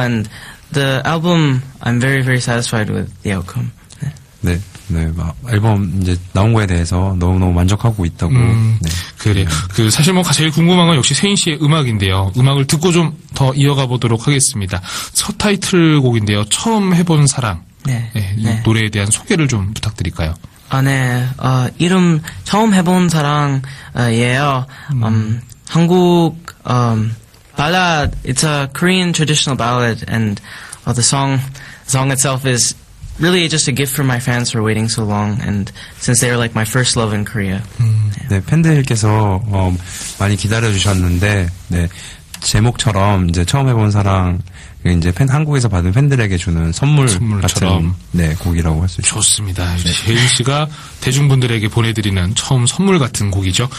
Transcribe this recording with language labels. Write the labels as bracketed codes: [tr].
[en] And the album, I'm very very satisfied with the outcome. [ko] 네. 네. 네, 앨범 이제 나온 거에 대해서 너무 만족하고 있다고. 네. 그래요. 그 사실 뭐 제일 궁금한 건 역시 세인 씨의 음악인데요. 음악을 듣고 좀 더 이어가 보도록 하겠습니다. 첫 타이틀곡인데요. 처음 해본 사랑. 네. 네, 이 네. 노래에 대한 소개를 좀 부탁드릴까요? 아, 네. 이름 처음 해본 사랑이에요. 한국 ballad. [en] It's a Korean traditional ballad, and the song itself is. Really, just a gift for my fans for waiting so long, and since they are like my first love in Korea. Yeah. [ko] 네, 팬들께서 많이 기다려주셨는데, 네 제목처럼 이제 처음 해본 사랑 이제 팬 한국에서 받은 팬들에게 주는 선물 선물처럼. 같은 네 곡이라고 할 수 있죠. 좋습니다. 제인 네. 씨가 대중분들에게 보내드리는 처음 선물 같은 곡이죠.